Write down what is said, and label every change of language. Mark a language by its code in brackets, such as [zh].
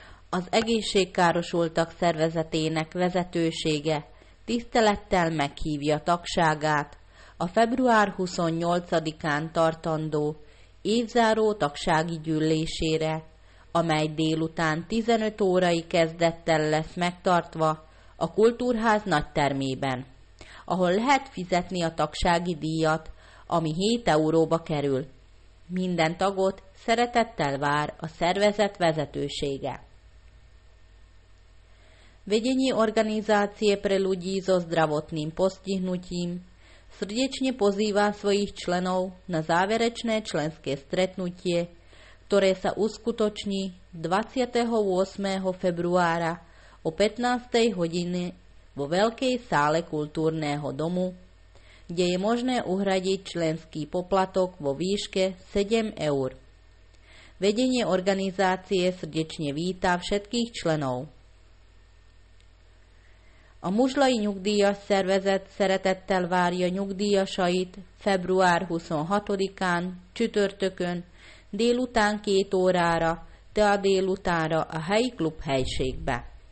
[hu] Az egészségkárosultak szervezetének vezetősége tisztelettel meghívja tagságát a február 28-án tartandó évzáró tagsági gyűlésére, amely délután 15 órai kezdettel lesz megtartva a Kultúrház nagytermében, ahol lehet fizetni a tagsági díjat, ami 7 euróba kerül. Minden tagot szeretettel vár a szervezet vezetősége. [sk] Vedenie organizácie pre ľudí so zdravotným postihnutím srdečne pozýva svojich členov na záverečné členské stretnutie, ktoré sa uskutoční 28. februára o 15. hodine vo Veľkej sále kultúrneho domu, kde je možné uhradiť členský poplatok vo výške 7 eur. Vedenie organizácie srdečne víta všetkých členov. [hu] A Muzslai Nyugdíjas Szervezet szeretettel várja nyugdíjasait február 26-án, csütörtökön, délután 2 órára, de a délutánra a helyi klub helységbe.